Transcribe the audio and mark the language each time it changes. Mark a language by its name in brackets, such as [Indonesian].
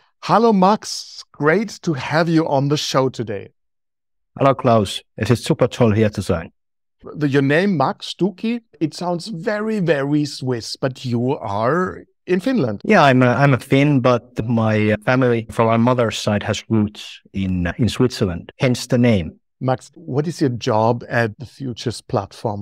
[English] Hallo Max, great to have you on the show today. [German] Hallo Klaus, es ist super toll hier zu sein. [English] Your name Max Stucki, it sounds very, very Swiss, but you are in Finland. Yeah, I'm a Finn, but my family from my mother's side has roots in Switzerland, hence the name. Max, what is your job at the Futures Platform?